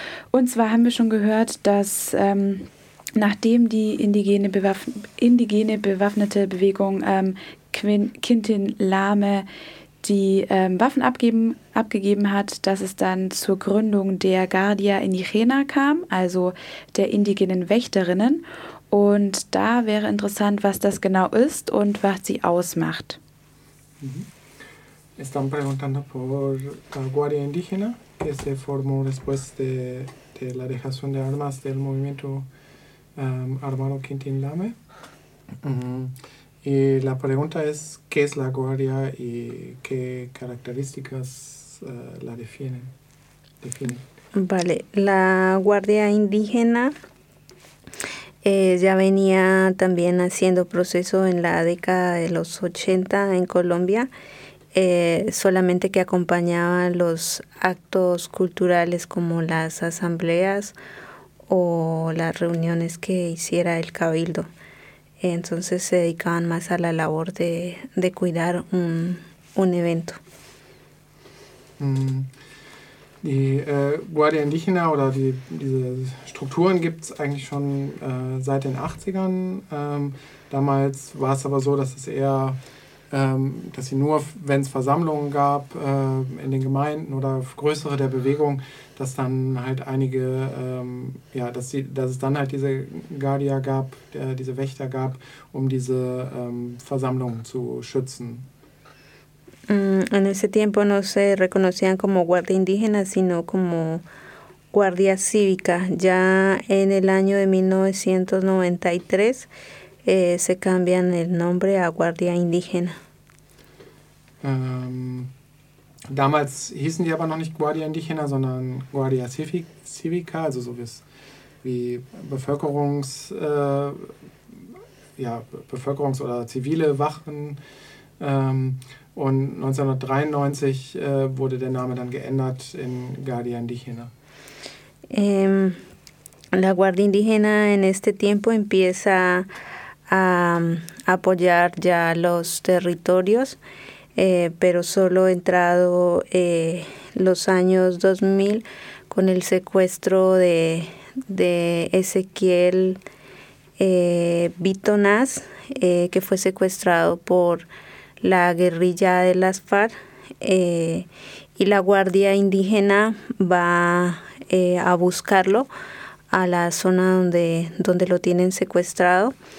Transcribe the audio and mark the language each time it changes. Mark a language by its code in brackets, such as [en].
[de] Und zwar haben wir schon gehört, dass nachdem die indigene bewaffnete Bewegung Quintin Lame die Waffen abgegeben hat, dass es dann zur Gründung der Guardia Indigena kam, also der indigenen Wächterinnen. Und da wäre interessant, was das genau ist und was sie ausmacht. [es] Están preguntando por la Guardia Indígena, que se formó después de la dejación de armas del movimiento armado Quintín Lame. Y la pregunta es, ¿qué es la Guardia y qué características la definen? Vale, la Guardia Indígena ya venía también haciendo proceso en la década de los 80 en Colombia. Solamente que acompañaba los actos culturales como las asambleas o las reuniones que hiciera el cabildo. Entonces se dedicaban más a la labor de cuidar un evento. [de] Die Guardia Indígena oder diese Strukturen gibt es eigentlich schon seit den 80ern. Damals war es aber so, dass es eher dass sie nur, wenn es Versammlungen gab in den Gemeinden oder größere der Bewegung, dass dann halt einige, dass es dann halt diese Guardia gab, diese Wächter gab, um diese Versammlungen zu schützen. [es] En ese tiempo no se reconocían como Guardia Indígena, sino como Guardia Cívica. Ya en el año de 1993 se cambian el nombre a Guardia Indígena. [de] Damals hießen die aber noch nicht Guardia Indígena, sondern Guardia Cívica, also so wie Bevölkerungs- oder zivile Wachen. Und 1993 wurde der Name dann geändert in Guardia Indígena. [es] La Guardia Indígena en este tiempo empieza a apoyar ya los territorios. Pero solo entrado los años 2000 con el secuestro de Ezequiel Bitonaz, que fue secuestrado por la guerrilla de las FARC, y la Guardia Indígena va a buscarlo a la zona donde lo tienen secuestrado.